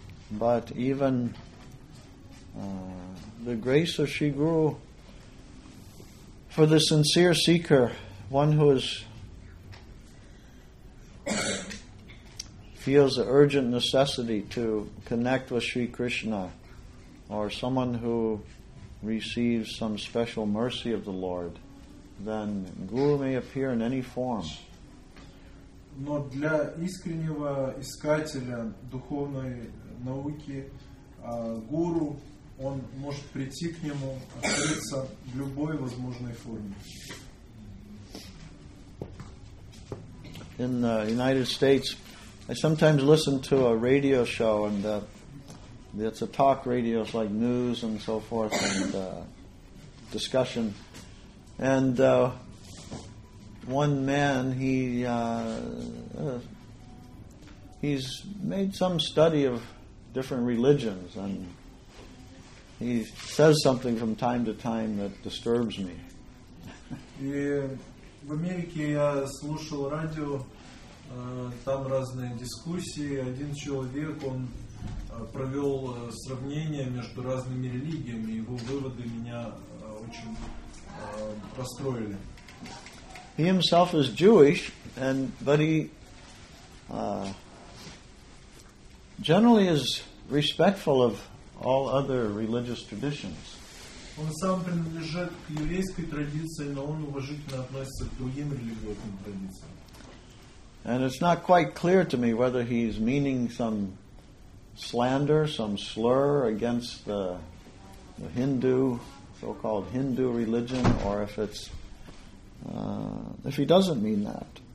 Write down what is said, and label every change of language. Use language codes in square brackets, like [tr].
[en] But even the grace of Shri Guru for the sincere seeker, one who is feels the urgent necessity to connect with Shri Krishna, or someone who receives some special mercy of the Lord, then Guru may appear in any form. [ru] Но для искреннего искателя духовной науки гуру, он может прийти к нему, открыться в любой возможной форме. [en] In the United States, I sometimes listen to a radio show, and it's a talk radio, it's like news and so forth, and discussion. And one man, he's made some study of different religions, and he says something from time to time that disturbs me. [ru] В Америке я слушал радио, там разные дискуссии. Один человек, он провел сравнение между разными религиями, его выводы меня очень расстроили. [en] He himself is Jewish, but he generally is respectful of all other religious traditions. [ru] Он сам принадлежит к еврейской традиции, но он уважительно относится к другим религиозным традициям. [en] And it's not quite clear to me whether he's meaning some slander, some slur against the Hindu, so-called Hindu religion, or if it's if he doesn't mean that.